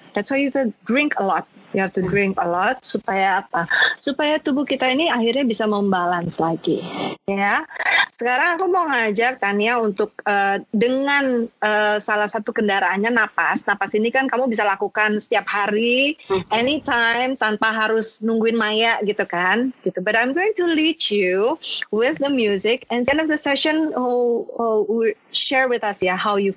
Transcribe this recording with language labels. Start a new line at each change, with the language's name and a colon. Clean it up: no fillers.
English: That's why you have to drink a lot. You have to drink a lot
Indonesian: supaya apa? Supaya tubuh kita ini akhirnya bisa membalance lagi. Ya. Sekarang aku mau ngajak Tania untuk dengan salah satu kendaraannya napas. Napas ini kan kamu bisa lakukan setiap hari, anytime, tanpa harus nungguin Maya gitu kan. Gitu.
English: But I'm going to lead you with the music. And at the end of the session, share with us ya how you...